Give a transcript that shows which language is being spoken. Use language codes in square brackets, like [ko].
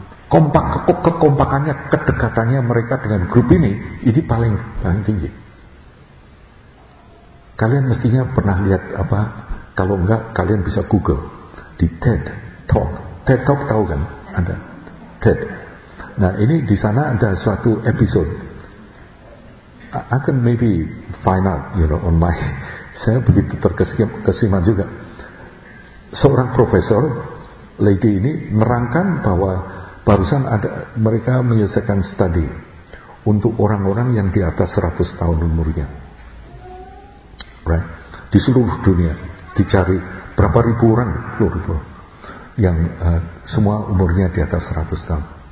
[id] Kekompakannya, kedekatannya mereka dengan grup ini paling paling tinggi. Kalian mestinya pernah lihat apa? Kalau enggak, kalian bisa Google di TED Talk. TED Talk tahu kan? Ada TED. Nah, ini di sana ada suatu episode. [en] I can maybe find out, you know, on my. [id] Saya begitu terkesima juga. Seorang profesor, lady ini nerangkan bahwa barusan ada mereka menyelesaikan studi untuk orang-orang yang di atas 100 tahun umurnya, right? Di seluruh dunia dicari berapa ribu orang, yang semua umurnya di atas 100 tahun.